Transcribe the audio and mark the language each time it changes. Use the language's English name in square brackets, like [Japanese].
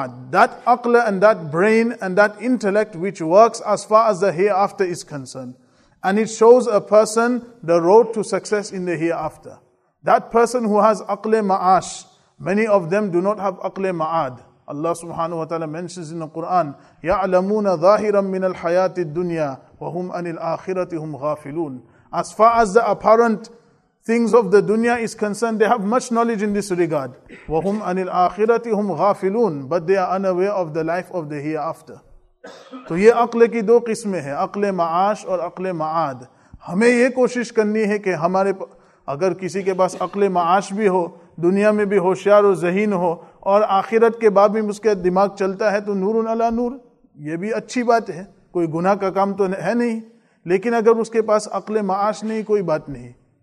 [English] That aqle and that brain and that intellect which works as far as the hereafter is concerned. And it shows a person the road to success in the hereafter. That person who has aqle ma'ash, many of them do not have aqle ma'ad. Allah subhanahu wa ta'ala mentions in the Quran, [Arabic] يَعْلَمُونَ ظَاهِرًا مِّنَ الْحَيَاةِ الدُّنْيَا وَهُمْ أَنِ الْآخِرَةِ هُمْ غَافِلُونَ. [English] As far as the apparent things of the dunya is concerned, they have much knowledge in this regard. [Arabic] وَهُمْ أَنِ الْآخِرَةِ هُمْ غَافِلُونَ. [English] But they are unaware of the life of the hereafter. [Urdu] تو یہ عقل کی دو قسمیں ہیں، عقل معاش اور عقل معاد. ہمیں یہ کوشش کرنی ہے کہ ہمارے اگر کسی کے پاس عقل معاش بھی ہو، دنیا میں بھی ہوشیار اور ذہین ہو، اور آخرت کے باب میں اس کے دماغ چلتا ہے تو نور علی نور، یہ بھی اچھی بات ہے، کوئی گناہ کا کام تو ہے نہیں۔ لیکن اگر اس کے پاس عقل معاش نہیں، کوئی بات نہیں۔